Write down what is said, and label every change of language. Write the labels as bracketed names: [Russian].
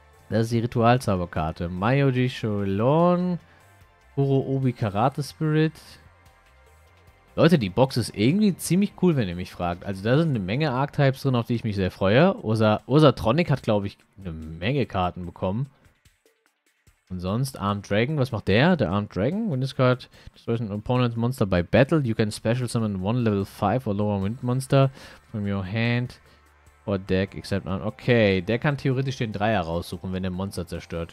[German] Das ist die Ritualzauberkarte. Mayoji Shoulon, Kuro Obi Karate Spirit. Leute, die Box ist irgendwie ziemlich cool, wenn ihr mich fragt. Also da sind eine Menge Archetypes drin, auf die ich mich sehr freue. Ursa-Tronic hat, glaube ich, eine Menge Karten bekommen. Und sonst Armed Dragon. Was macht der? Der Armed Dragon. [English] When this card destroys an opponent monster by battle, you can special summon one level 5 or lower wind monster from your hand or deck except on. [German] Okay, der kann theoretisch den Dreier raussuchen, wenn der Monster zerstört.